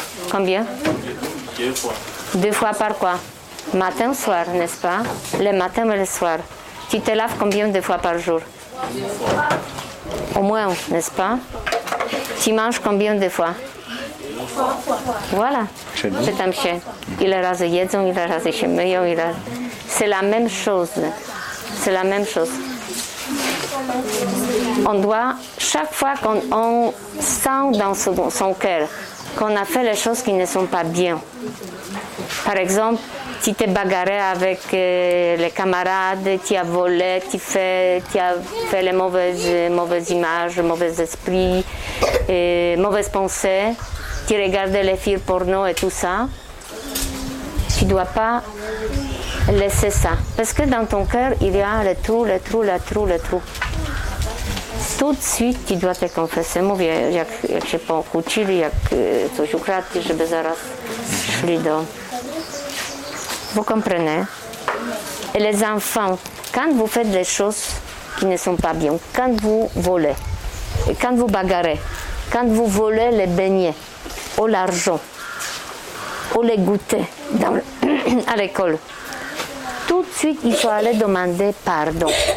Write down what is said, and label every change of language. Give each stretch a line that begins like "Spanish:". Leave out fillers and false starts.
French: Combien? Deux fois. Deux fois par quoi? Matin, soir, n'est-ce pas? Le matin et le soir. Tu te laves combien de fois par jour? Une fois. Au moins, n'est-ce pas? Tu manges combien de fois? Une Voilà.
Polish: Czyli? Pytam się, ile razy jedzą, ile razy się myją, ile...
French: C'est la même chose. C'est la même chose. On doit, chaque fois qu'on on sent dans son cœur qu'on a fait les choses qui ne sont pas bien. Par exemple, tu t'es bagarré avec les camarades, tu as volé, tu as fait les mauvaises images, mauvais esprits, mauvaises pensées, tu regardais les films porno et tout ça. Tu ne dois pas laisser ça. Parce que dans ton cœur, il y a les trous, les trous, les trous, les trous. Tout de suite, tu dois te confesser.
Polish: Mówię, jak się pokłócili, jak coś ukradli, żeby zaraz szli do...
French: Vous comprenez? Et les enfants, quand vous faites des choses qui ne sont pas bien, quand vous volez, quand vous bagarrez, quand vous volez les beignets, ou l'argent, ou les goûters dans le... à l'école, tout de suite, il faut aller demander pardon.